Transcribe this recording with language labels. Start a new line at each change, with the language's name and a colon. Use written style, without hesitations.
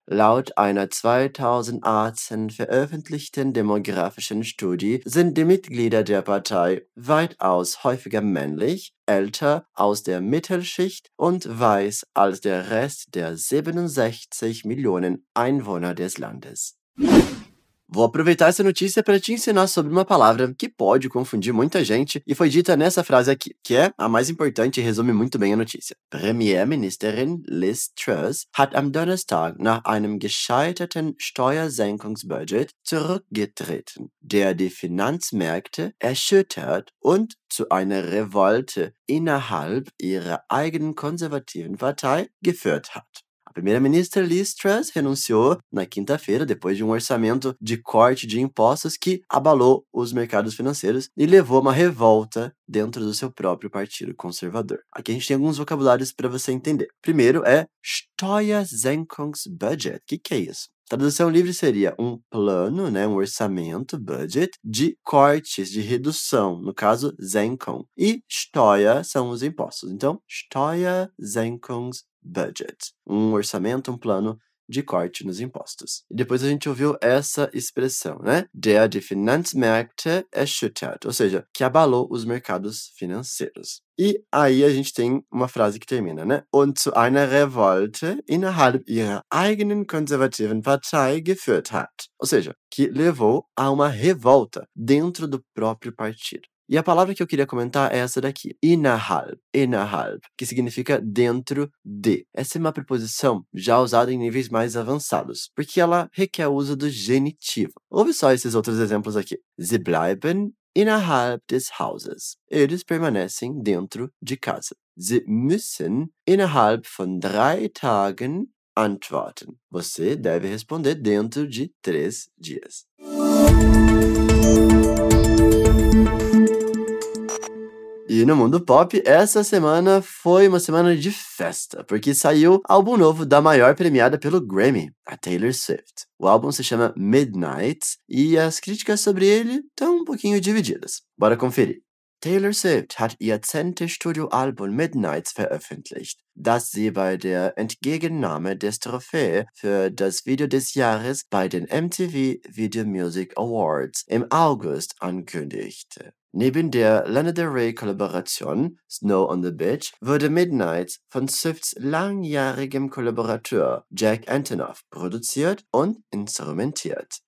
German: Laut einer 2018 veröffentlichten demografischen Studie sind die Mitglieder der Partei weitaus häufiger männlich, älter, aus der Mittelschicht und weiß als der Rest der 67 Millionen Einwohner des Landes.
Portuguese: Vou aproveitar essa notícia para te ensinar sobre uma palavra que pode confundir muita gente e foi dita nessa frase aqui, que é a mais importante e resume muito bem a notícia.
German: Premierministerin Liz Truss hat am Donnerstag nach einem gescheiterten Steuersenkungsbudget zurückgetreten, der die Finanzmärkte erschüttert und zu einer Revolte innerhalb ihrer eigenen konservativen Partei geführt hat.
Portuguese: A primeira-ministra Liz Truss renunciou na quinta-feira depois de um orçamento de corte de impostos que abalou os mercados financeiros e levou a uma revolta dentro do seu próprio partido conservador. Aqui a gente tem alguns vocabulários para você entender. Primeiro é Steuersenkungsbudget. O que é isso? Tradução livre seria um plano, né, um orçamento, budget, de cortes, de redução, no caso, Senkung. E Steuer são os impostos. Então, Steuersenkungsbudget. Budget, um orçamento, um plano de corte nos impostos. E depois a gente ouviu essa expressão, né?
German: Der die Finanzmärkte erschüttert,
Portuguese: ou seja, que abalou os mercados financeiros. E aí a gente tem uma frase que termina, né?
German: Und zu einer Revolte innerhalb ihrer eigenen konservativen Partei geführt hat.
Portuguese: Ou seja, que levou a uma revolta dentro do próprio partido. E a palavra que eu queria comentar é essa daqui, innerhalb, innerhalb, que significa dentro de. Essa é uma preposição já usada em níveis mais avançados, porque ela requer o uso do genitivo. Ouve só esses outros exemplos aqui.
German: Sie bleiben innerhalb des Hauses.
Portuguese: Eles permanecem dentro de casa.
German: Sie müssen innerhalb von 3 Tagen antworten.
Portuguese: Você deve responder dentro de 3 dias. E no mundo pop, essa semana foi uma semana de festa, porque saiu álbum novo da maior premiada pelo Grammy, a Taylor Swift. O álbum se chama Midnight e as críticas sobre ele estão um pouquinho divididas. Bora conferir.
German: Taylor Swift hat ihr 10. Studioalbum Midnight veröffentlicht, das sie bei der Entgegennahme des Trophäe für das Video des Jahres bei den MTV Video Music Awards im August ankündigte. Neben der Lana Del Rey-Kollaboration Snow on the Beach wurde Midnight von Swifts langjährigem Kollaborateur Jack Antonoff produziert und instrumentiert.